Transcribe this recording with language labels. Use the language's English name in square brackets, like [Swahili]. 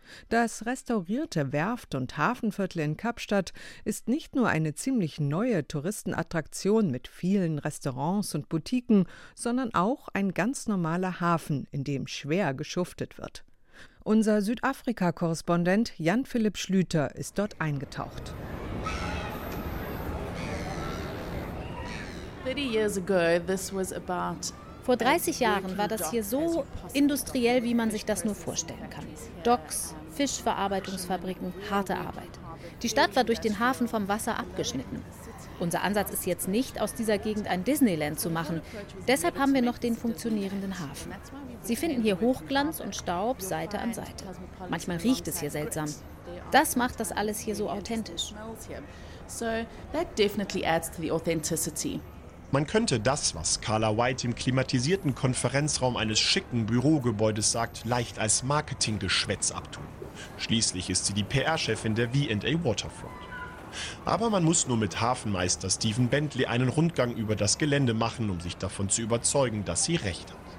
[German] Das restaurierte Werft- und Hafenviertel in Kapstadt ist nicht nur eine ziemlich neue Touristenattraktion mit vielen Restaurants und Boutiquen, sondern auch ein ganz normaler Hafen, in dem schwer geschuftet wird. Unser Südafrika-Korrespondent Jan-Philipp Schlüter ist dort eingetaucht. [English] 30 years ago, this was about [German] Vor 30 Jahren war das hier so industriell, wie man sich das nur vorstellen kann. Docks, Fischverarbeitungsfabriken, harte Arbeit. Die Stadt war durch den Hafen vom Wasser abgeschnitten. Unser Ansatz ist jetzt nicht, aus dieser Gegend ein Disneyland zu machen. Deshalb haben wir noch den funktionierenden Hafen. Sie finden hier Hochglanz und Staub Seite an Seite. Manchmal riecht es hier seltsam. Das macht das alles hier so authentisch. [English] So, that definitely adds to the authenticity. [German] Man könnte das, was Carla White im klimatisierten Konferenzraum eines schicken Bürogebäudes sagt, leicht als Marketinggeschwätz abtun. Schließlich ist sie die PR-Chefin der V&A Waterfront. Aber man muss nur mit Hafenmeister Stephen Bentley einen Rundgang über das Gelände machen, um sich davon zu überzeugen, dass sie recht hat.